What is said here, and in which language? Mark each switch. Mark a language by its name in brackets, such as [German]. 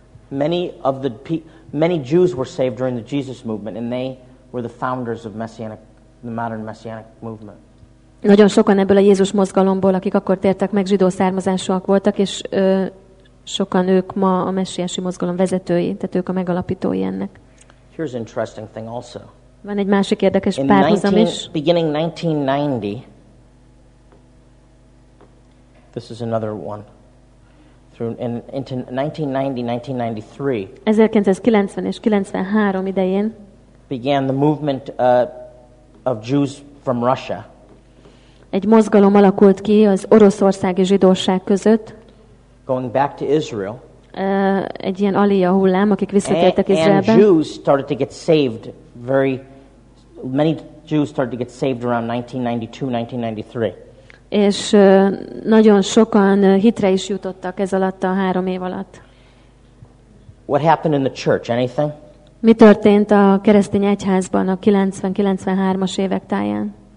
[English] Many Jews were saved during the Jesus movement and they were the founders of the modern messianic movement. [Hungarian] Nagyon sokan ebből a Jézus mozgalomból, akik akkor tértek meg, zsidó származásúak voltak, és sokan ők ma a messiási mozgalom vezetői, tehát ők a megalapítói ennek. [English] Here's an interesting thing also. [Hungarian] Van egy másik érdekes párhuzam is. [English] Beginning 1990, this is another one. Into 1990-1993. [Hungarian] 1990 és 93 idején [English] began the movement of Jews from Russia. [Hungarian] Egy mozgalom alakult ki az oroszországi zsidóság között. [English] Going back to Israel. [Hungarian] Egy ilyen alia hullám, akik visszatértek Izraelbe. [English] And Jews started to get saved. Very many Jews started to get saved around 1992, 1993. [Hungarian] És nagyon sokan hitre is jutottak ez alatt a három év alatt. [English] What happened in the church? Anything? [Hungarian] Mi történt a keresztény egyházban a 90-93-as évek táján?